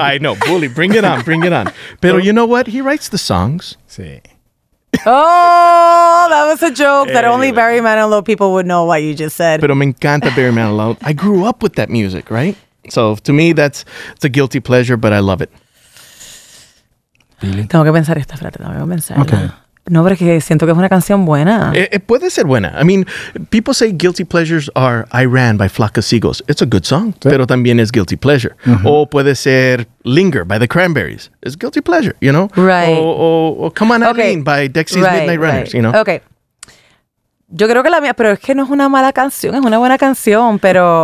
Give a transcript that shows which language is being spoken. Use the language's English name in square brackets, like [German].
[English] I know, bully, bring it on. Pero you know what? He writes the songs. [Spanish] Sí. [English] Oh, that was a joke that only Barry Manilow people would know what you just said. [Spanish] Pero me encanta Barry Manilow. [English] I grew up with that music, right? So to me, it's a guilty pleasure, but I love it. [Spanish] Billy. Tengo que pensar esta frase, tengo que pensar. Okay. No, pero es que siento que es una canción buena. Puede ser buena. [English] I mean, people say guilty pleasures are Iran by Flaca Seagulls. It's a good song, sí. [Spanish] Pero también es guilty pleasure. Uh-huh. O puede ser Linger by the Cranberries. [English] It's guilty pleasure, you know? Right. O Come On Eileen by Dexys Midnight Runners, you know? Okay. [Spanish] Yo creo que la mía, pero es que no es una mala canción, es una buena canción, pero...